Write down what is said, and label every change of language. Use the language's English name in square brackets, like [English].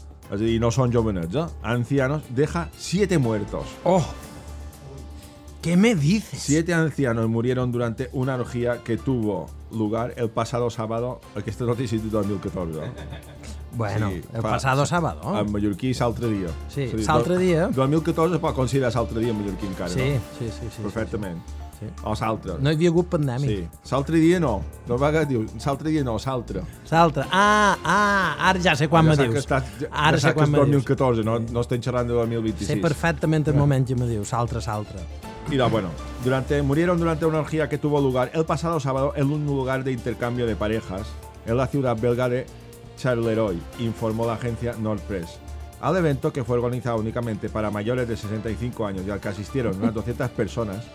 [Catalan] Es a dir, no son jovenets, eh? [Spanish] Ancianos. Deja 7 muertos. Oh. ¿Qué me dices? 7 ancianos murieron durante una orgía que tuvo lugar el pasado sábado. [Catalan] Aquesta noticia es de 2014. [Spanish] Bueno, sí, el pasado sábado. [Catalan] En mallorquí, l'altre dia. Sí, l'altre dia. 2014 es pot considerar l'altre dia en mallorquí encara, sí, no? Sí, sí, sí. Perfectament. Sí, sí. Sí. O l'altre. No hi havia hagut pandèmic. Sí. L'altre dia no. No va dir, l'altre dia no, l'altre. L'altre. Ah, ah, ara ja sé quan me dius. Que estàs, ara sé quan me dius. 2014, no, sí. No estem xerrant de 2026. Sé perfectament el moment que me dius, l'altre, l'altre. I no, [Spanish] bueno, murieron durante una orgía que tuvo lugar el pasado sábado en un lugar de intercambio de parejas en la ciudad belga de Charleroi, informó la agencia Nordpress. Al evento, que fue organizado únicamente para mayores de 65 años y al que asistieron unas 200 personas,